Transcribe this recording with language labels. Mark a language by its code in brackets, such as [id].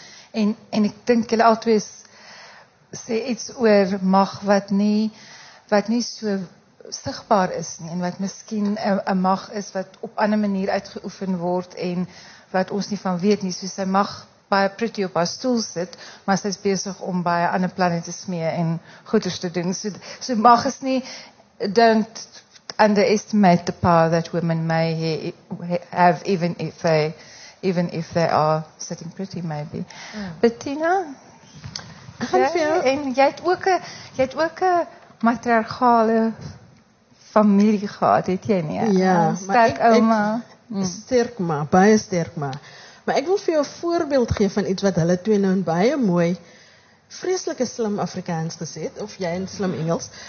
[af] En ek dink julle albei sê iets oor mag wat nie so sigbaar is nie, en wat miskien 'n mag is wat op 'n ander manier uitgeoefen word en wat ons nie van weet nie. So sy mag baie pretty op haar stoel sit, maar sy is besig om baie ander planne te smee en goeders te doen. So mag is nie, [en] don't underestimate the power that women may have even if they are sitting pretty, maybe. Mm. Bettina? [af] En jy het ook 'n matriarchale familie gehad, het jy nie? Ja, sterk ouma. Sterk ma, baie sterk ma. Maar ek wil vir jou 'n voorbeeld gee van iets wat hulle twee nou in baie mooi, vreselike slim Afrikaans gesê het, of jy in slim Engels.